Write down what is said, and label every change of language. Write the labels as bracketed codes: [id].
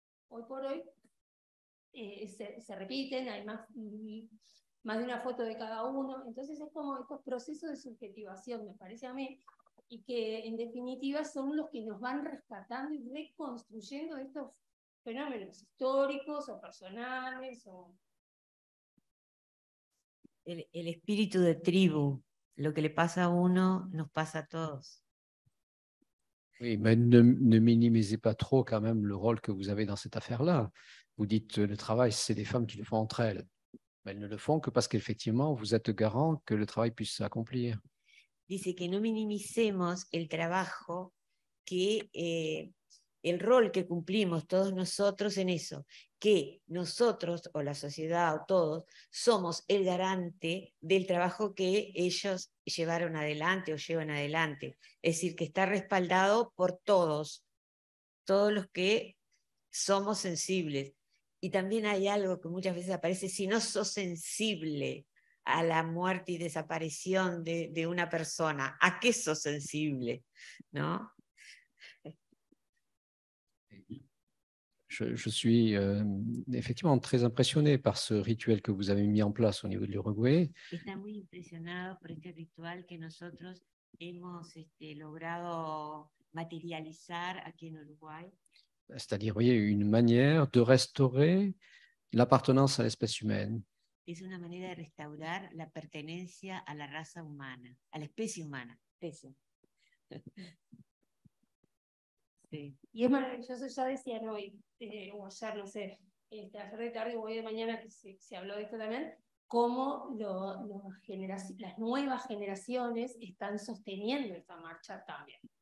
[es] Hoy por hoy se repiten, hay más de una foto de cada uno, entonces es como estos procesos de subjetivación, me parece a mí, y que en definitiva son los que nos van rescatando y reconstruyendo estos fenómenos históricos o personales. El espíritu de tribu, lo que le pasa a uno, nos pasa a todos. [fr] Oui, mais ne minimisez pas trop quand même le rôle que vous avez dans cette affaire-là. Vous dites le travail, c'est les femmes qui le font entre elles. Elles ne le font que parce qu'effectivement, vous êtes garant que le travail puisse s'accomplir. [es] Dice que no minimicemos el trabajo, que el rol que cumplimos todos nosotros en eso, que nosotros o la sociedad o todos somos el garante del trabajo que ellos llevaron adelante o llevan adelante. Es decir, que está respaldado por todos los que somos sensibles. Y también hay algo que muchas veces aparece: si no sos sensible a la muerte y desaparición de una persona, ¿a qué sos sensible? ¿No? [fr] Je suis effectivement très impressionné par ce rituel que vous avez mis en place au niveau de l'Uruguay. [es] Está muy impresionado por este ritual que nosotros hemos logrado materializar aquí en Uruguay. [fr] C'est-à-dire, vous voyez, une manière de restaurer l'appartenance à l'espèce humaine. [es] Es una manera de restaurar la pertenencia a la raza humana, a la especie humana. Especie. Sí. Y es maravilloso, ya decían hoy, o ayer, no sé, ayer de tarde o hoy de mañana, que se habló de esto también, cómo las nuevas generaciones están sosteniendo esta marcha también.